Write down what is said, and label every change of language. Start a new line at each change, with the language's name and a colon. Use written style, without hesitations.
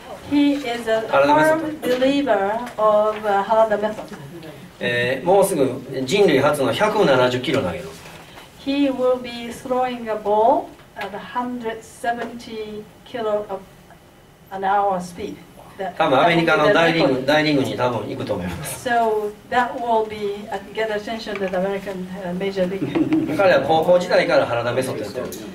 English: he is a firm believer of Harada method.
Japanese: もうすぐ人類初の170キロ投げる。
English: He will be throwing a ball at 170 kilo an hour speed.
Japanese: 多分アメリカの大リーグに多分行くと思います。
English: So that will be get attention to the American major league.
Japanese: 彼は高校時代から原田メソッドやってる。